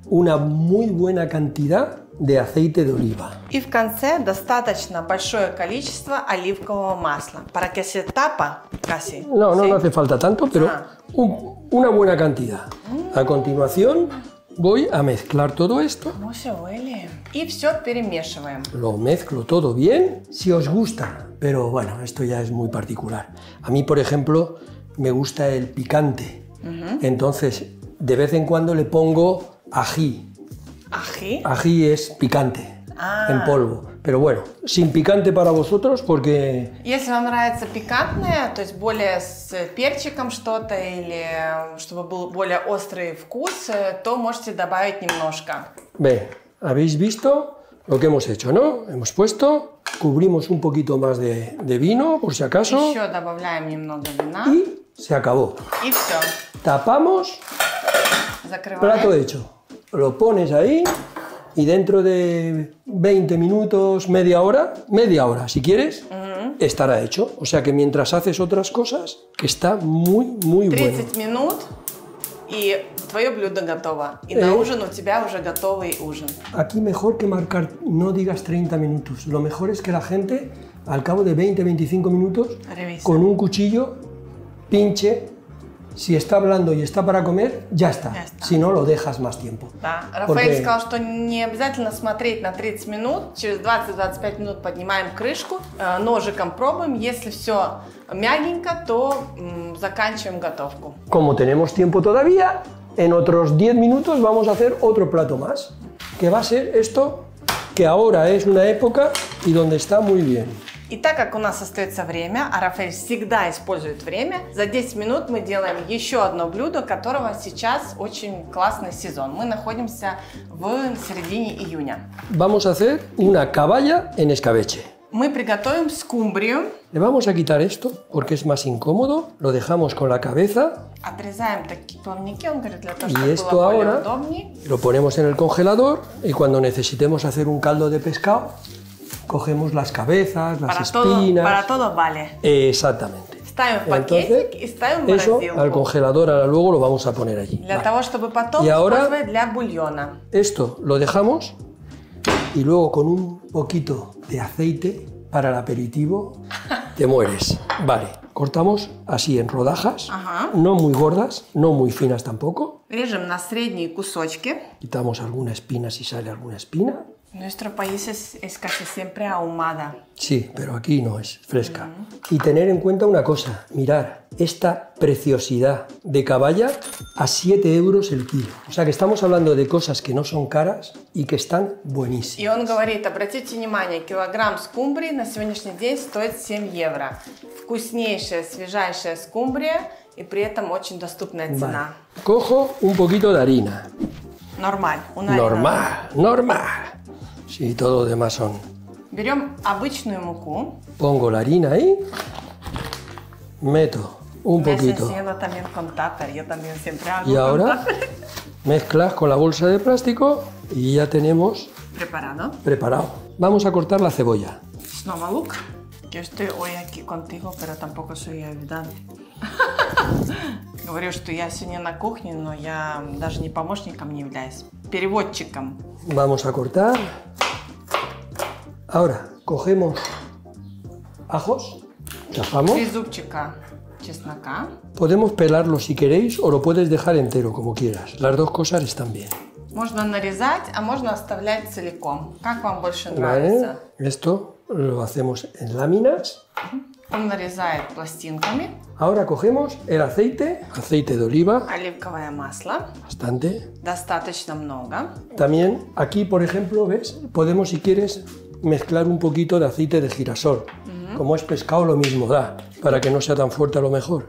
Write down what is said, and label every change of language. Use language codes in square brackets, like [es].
[es] una muy buena cantidad de aceite de oliva. [ru] Y в конце достаточно большое количество оливкового масла [es] para que se tapa casi. No hace falta tanto, pero una buena cantidad. A continuación voy a mezclar todo esto. ¿Cómo se huele? [ru] Y все перемешиваем. [es] Lo mezclo todo bien, si os gusta, pero bueno, esto ya es muy particular. A mí, por ejemplo, me gusta el picante. Entonces, de vez en cuando le pongo ají. ¿Ají? Ají es picante, en polvo. Pero bueno, sin picante para vosotros, porque... Y si [ru] вам нравится picante, то есть более с перчиком что-то, или чтобы был более острый вкус, то можете добавить немножко. [es] Ve, habéis visto lo que hemos hecho, ¿no? Hemos puesto, cubrimos un poquito más de vino, por si acaso. [ru] Еще добавляем немного вина. [es] Y se acabó. [ru] Y все. [es] Tapamos... [ru] Закрываем. [es] Plato hecho. Lo pones ahí y dentro de 20 minutos, media hora, si quieres, estará hecho. O sea que mientras haces otras cosas, que está muy, muy 30 bueno. 30 minutos y tu [ru] блюдо готово. Y на ужин у тебя уже готовый ужин. [es] Aquí mejor que marcar, no digas 30 minutos. Lo mejor es que la gente, al cabo de 20, 25 minutos, Revisa. Con un cuchillo, pinche... Si está hablando y está para comer, ya está. Si no, lo dejas más tiempo. [ru] Да. Рафаэль [es] Porque... [ru] сказал, что не обязательно смотреть на 30 минут. Через 20-25 минут поднимаем крышку, ножиком пробуем. Если все мягенько, то заканчиваем готовку. [es] Como tenemos tiempo todavía, en otros 10 minutos vamos a hacer otro plato más. Que va a ser esto, que ahora es una época y donde está muy bien. [ru] И так как у нас остается время, а Рафаэль всегда использует время, за 10 минут мы делаем еще одно блюдо, которого сейчас очень классный сезон. Мы находимся в середине июня. [es] Vamos a hacer una caballa en escabeche. [ru] Мы приготовим скумбрию. [es] Le vamos a quitar esto, porque es más incómodo. Lo dejamos con la cabeza. [ru] Отрезаем такие плавники, он говорит, для того, чтобы было более [es] ahora [ru] удобнее. [es] Lo ponemos en el congelador, y cuando necesitemos hacer un caldo de pescado, cogemos las cabezas, las para espinas... Todo, para todo vale. Exactamente. Entonces, eso al congelador, ahora luego lo vamos a poner allí. [ru] Для того, чтобы потом [es] y ahora, [ru] для бульона. [es] Esto lo dejamos y luego con un poquito de aceite para el aperitivo te mueres. Vale, cortamos así en rodajas, no muy gordas, no muy finas tampoco. [ru] Режем на средние кусочки. [es] Quitamos alguna espina, si sale alguna espina. Nuestro país es casi siempre ahumada. Sí, pero aquí no, es fresca. Y tener en cuenta una cosa, mirar esta preciosidad de caballa a 7 euros el kilo. O sea que estamos hablando de cosas que no son caras y que están buenísimas. [ru] Y он говорит, обратите внимание, килограмм скумбрии на сегодняшний день стоит 7 евро. Вкуснейшая, свежайшая скумбрия и при этом очень доступная цена. [es] Vale. Cojo un poquito de harina. Normal, una harina. Normal, normal. Sí, todo lo demás son. Берем обычную муку. Pongo la harina ahí. Meto un poquito. Me enseñó también con tupper. Yo también siempre hago. Y ahora mezclas con la bolsa de plástico y ya tenemos. Preparado. Preparado. Vamos a cortar la cebolla. [ru] Снова лук. [es] Yo estoy hoy aquí contigo, pero tampoco soy ayudante. [ru] Говорю, что я сегодня на кухне, но я даже не помощником не являюсь. Переводчиком. [es] Vamos a cortar. Ahora cogemos ajos, chafamos. [ru] Три зубчика чеснока. [es] Podemos pelarlo si queréis o lo puedes dejar entero, como quieras. Las dos cosas están bien. [ru] Можно нарезать, а можно оставлять целиком. Как вам больше нравится? [es] Vale. Esto lo hacemos en láminas. [ru] Он нарезает пластинками. [es] Ahora cogemos el aceite, aceite de oliva. [ru] Оливковое масло. [es] Bastante. [ru] Достаточно много. [es] También aquí, por ejemplo, ves, podemos, si quieres, mezclar un poquito de aceite de girasol. Como es pescado, lo mismo da, para que no sea tan fuerte a lo mejor.